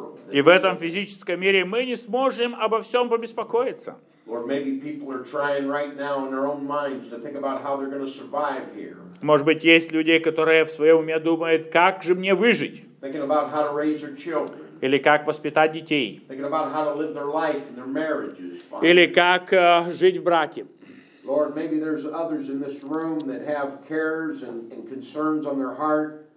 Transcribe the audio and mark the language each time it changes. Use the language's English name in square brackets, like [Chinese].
[Russian] И в этом физическом мире мы не сможем обо всем побеспокоиться. [English] Lord, maybe people are trying right now in their own minds to think about how they're going to survive here. [Russian] Может быть, есть люди, которые в своем уме думают, как же мне выжить? [English] Thinking about how to raise their children. [Russian] Или как воспитать детей? [English] Thinking about how to live their life and their marriages. [Russian] Или как жить в браке? [English] Lord, maybe there's others in this room that have cares and concerns on their heart.